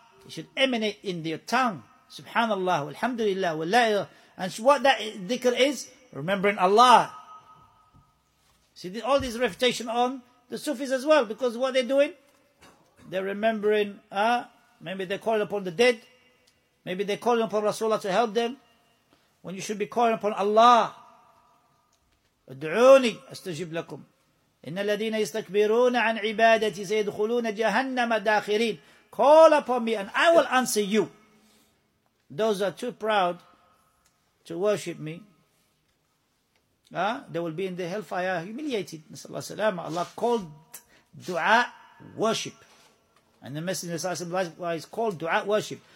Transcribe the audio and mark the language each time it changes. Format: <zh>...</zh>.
<en>It should emanate in your tongue. Subhanallah, alhamdulillah, wa la ilaha. And what that dhikr is? Remembering Allah. See, all this refutation on the Sufis as well, because what they're doing? They're remembering, maybe they're calling upon the dead. Maybe they're calling upon Rasulullah to help them. When you should be calling upon Allah,</en> <ar>ادعوني استجب لكم ان الذين يستكبرون عن عبادتي سيدخلون جهنم داخرين.</ar> <en>Call upon me and I will answer you. Those are too proud to worship me. They will be in the hellfire, humiliated. Allah called dua worship. And the Messenger of Allah is called dua worship.</en>